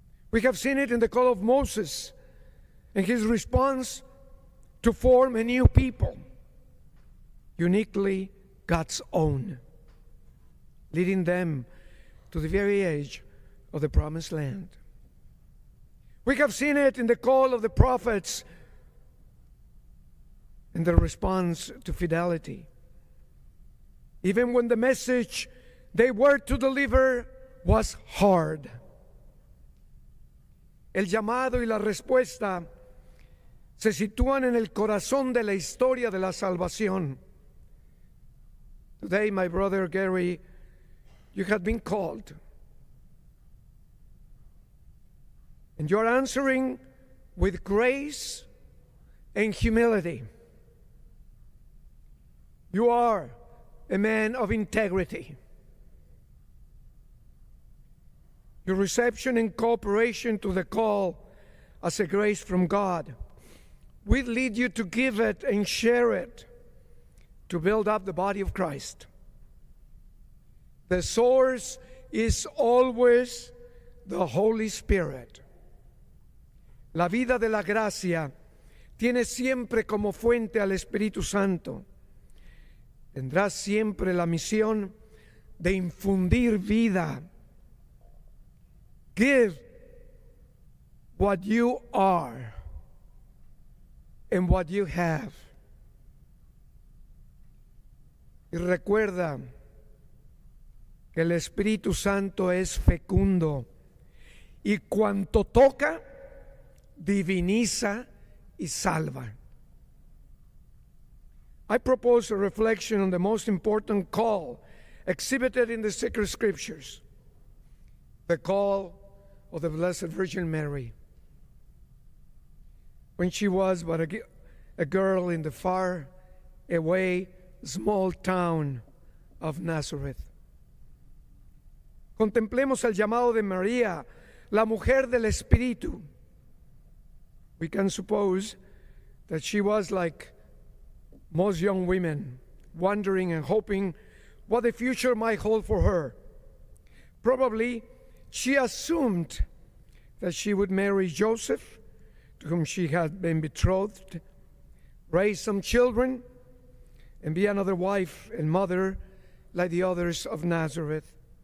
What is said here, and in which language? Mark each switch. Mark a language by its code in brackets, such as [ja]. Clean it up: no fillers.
[en] We have seen it in the call of Moses and his response to form a new people, uniquely God's own, leading them to the very edge of the promised land. We have seen it in the call of the prophets and their response to fidelity, even when the message they were to deliver was hard. [es] El llamado y la respuesta se sitúan en el corazón de la historia de la salvación. [en] Today, my brother Gary, you have been called. And you are answering with grace and humility. You are a man of integrity. Your reception and cooperation to the call as a grace from God will lead you to give it and share it to build up the body of Christ. The source is always the Holy Spirit. [es] La vida de la gracia tiene siempre como fuente al Espíritu Santo. Tendrá siempre la misión de infundir vida. [en] Give what you are and what you have. [es] Y recuerda que el Espíritu Santo es fecundo y cuanto toca, diviniza y salva. [en] I propose a reflection on the most important call exhibited in the sacred scriptures, the call of the Blessed Virgin Mary. When she was but a girl in the far away small town of Nazareth. [es] Contemplemos el llamado de María, la mujer del Espíritu. [en] We can suppose that she was like most young women, wondering and hoping what the future might hold for her. Probably she assumed that she would marry Joseph, to whom she had been betrothed, raise some children, and be another wife and mother like the others of Nazareth.